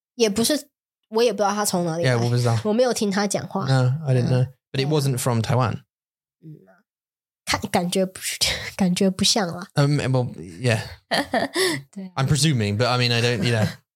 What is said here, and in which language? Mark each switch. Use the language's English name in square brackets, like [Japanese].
[Chinese] 也不是，我也不知道他从哪里来。 [English] Yeah, [Chinese] 我不知道，我没有听他讲话。 [English] No, I didn't know, but it wasn't from Taiwan. [Chinese] 看，感觉不是，感觉不像了。 [English] Well, yeah. I'm presuming, but I mean, I don't, you know.